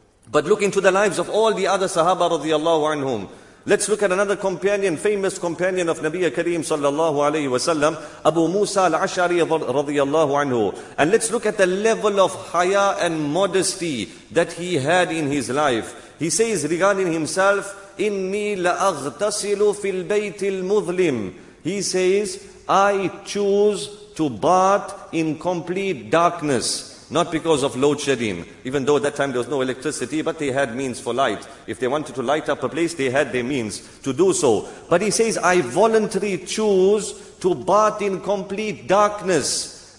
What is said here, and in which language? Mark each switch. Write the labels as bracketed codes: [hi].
[en] But look into the lives of all the other sahaba radiallahu anhum. Let's look at another companion, famous companion of Nabiya Kareem sallallahu alayhi wa sallam, Abu Musa al-Ash'ari radiallahu anhu. And let's look at the level of haya and modesty that he had in his life. He says regarding himself, [ar] إِنِّي لَأَغْتَسِلُ فِي الْبَيْتِ الْمُظْلِمِ. [en] He says, I choose to bath in complete darkness. Not because of load shedding, even though at that time there was no electricity, but they had means for light. If they wanted to light up a place, they had their means to do so. But he says, I voluntarily choose to bathe in complete darkness.